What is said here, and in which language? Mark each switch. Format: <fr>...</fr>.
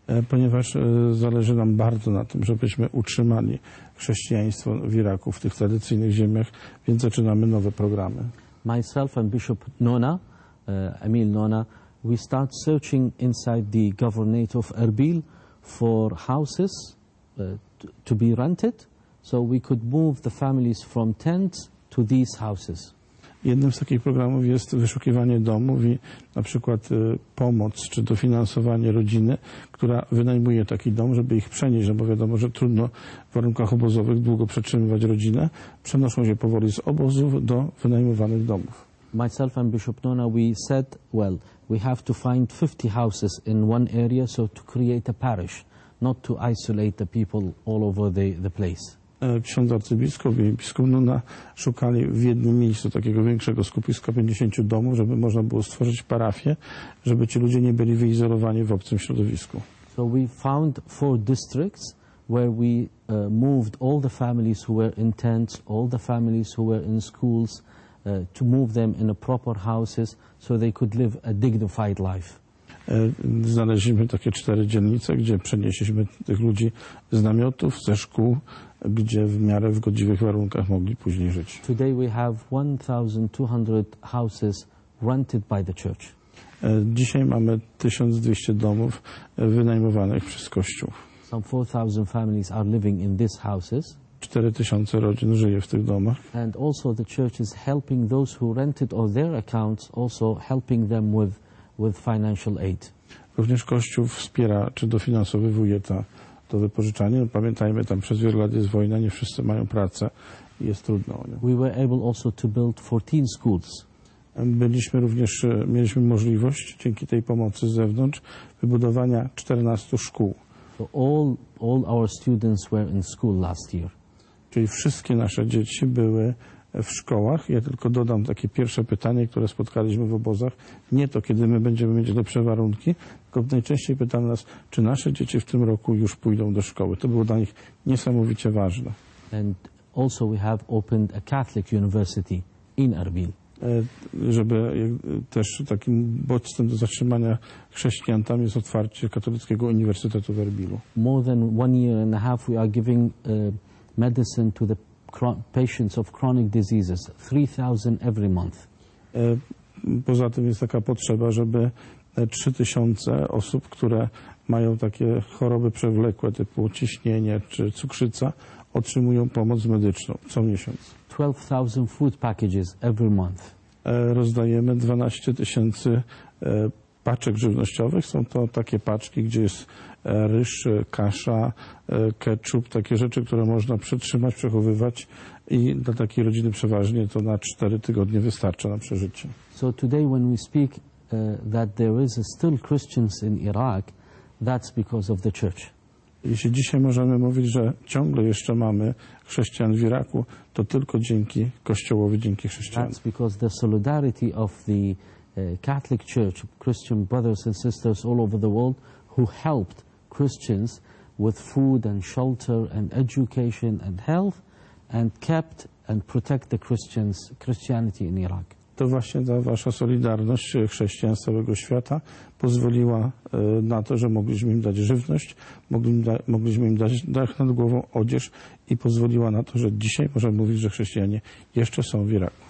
<pl>Ponieważ zależy nam bardzo na tym, żebyśmy utrzymali chrześcijaństwo w Iraku, w tych tradycyjnych ziemiach, więc zaczynamy nowe programy.</pl> <en>Myself and Bishop Nona, Emil Nona, we start searching inside the governorate of Erbil for houses to be rented, so we could move the families from tents to these houses.</en> <pl>Jednym z takich programów jest wyszukiwanie domów i na przykład pomoc czy dofinansowanie rodziny, która wynajmuje taki dom, żeby ich przenieść, bo wiadomo, że trudno w warunkach obozowych długo przetrzymywać rodzinę. Przenoszą się powoli z obozów do wynajmowanych domów.</pl> <en>Myself and Bishop Nona, we said, well, we have to find 50 houses in one area, so to create a parish, not to isolate the people all over the place.</en> <pl>Ksiądz arcybiskup i biskup Nona szukali w jednym miejscu takiego większego skupiska 50 domów, żeby można było stworzyć parafię, żeby ci ludzie nie byli wyizolowani w obcym środowisku.</pl> <en>So we found 4 districts where we moved all the families who were in tents, all the families who were in schools, to move them in a proper houses so they could live a dignified life.</en> <pl>Znaleźliśmy takie 4 dzielnice, gdzie przenieśliśmy tych ludzi z namiotów, ze szkół, gdzie w miarę w godziwych warunkach mogli później żyć.</pl> <en>Today we have 1,200 houses rented by the church.</en> <pl>Dzisiaj mamy 1200 domów wynajmowanych przez Kościół.</pl> <en>Some 4000 families are living in these houses.</en> <pl>4000 rodzin żyje w tych domach.</pl> <en>And also the church is helping those who rented on their accounts, also helping them with financial aid.</en> <pl>Również Kościół wspiera czy dofinansowuje to wypożyczanie. No pamiętajmy, tam przez wiele lat jest wojna, nie wszyscy mają pracę i jest trudno. Nie?</pl> <en>We were able also to build 14 schools.</en> <pl>Byliśmy również, mieliśmy możliwość dzięki tej pomocy z zewnątrz wybudowania 14 szkół.</pl> <en>So all our students were in school last year.</en> <pl>Czyli wszystkie nasze dzieci były w szkołach. Ja tylko dodam takie pierwsze pytanie, które spotkaliśmy w obozach. Nie to, kiedy my będziemy mieć lepsze warunki, tylko najczęściej pytano nas, czy nasze dzieci w tym roku już pójdą do szkoły. To było dla nich niesamowicie ważne.</pl> <en>And also we have opened a Catholic university in Erbil.</en> <pl>Żeby też takim bodźcem do zatrzymania chrześcijan, tam jest otwarcie katolickiego uniwersytetu w Erbilu.</pl> <en>More than one year and a half we are giving medicine to the patients of chronic diseases, 3,000 every month.</en> <pl>Poza tym jest taka potrzeba, żeby 3000 osób, które mają takie choroby przewlekłe typu ciśnienie czy cukrzyca, otrzymują pomoc medyczną co miesiąc.</pl> <en>12,000 food packages every month.</en> <pl>Rozdajemy 12 tysięcy paczek żywnościowych. Są to takie paczki, gdzie jest ryż, kasza, ketchup, takie rzeczy, które można przetrzymać, przechowywać i dla takiej rodziny przeważnie to na 4 tygodnie wystarcza na przeżycie.</pl> <en>So today when we speak that there is still Christians in Iraq, that's because of the church.</en> <pl>Jeśli dzisiaj możemy mówić, że ciągle jeszcze mamy chrześcijan w Iraku, to tylko dzięki Kościołowi, dzięki chrześcijanom.</pl> <en>That's because the solidarity of the Catholic Church, Christian brothers and sisters all over the world, who helped Christians with food and shelter and education and health, and kept and protect the Christianity in Iraq.</en> <pl>To właśnie ta wasza solidarność chrześcijan z całego świata pozwoliła na to, że mogliśmy im dać żywność, mogliśmy im dać dach nad głową, odzież i pozwoliła na to, że dzisiaj możemy mówić, że chrześcijanie jeszcze są w Iraku.</pl>